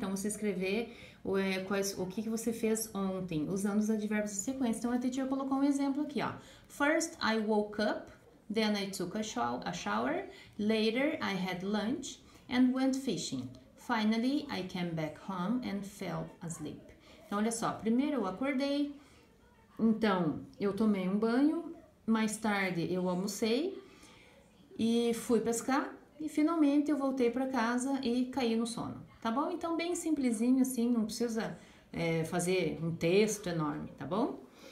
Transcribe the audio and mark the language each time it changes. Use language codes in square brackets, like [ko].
[pt] Então, você escrever o que você fez ontem, usando os advérbios de sequência. Então, a teacher colocou um exemplo aqui, ó. [en] First, I woke up, then I took a shower, later, I had lunch and went fishing. Finally, I came back home and fell asleep. [pt] Então, olha só, primeiro eu acordei, então eu tomei um banho, mais tarde eu almocei e fui pescar e finalmente eu voltei para casa e caí no sono, tá bom? Então, bem simplesinho assim, não precisa fazer um texto enorme, tá bom?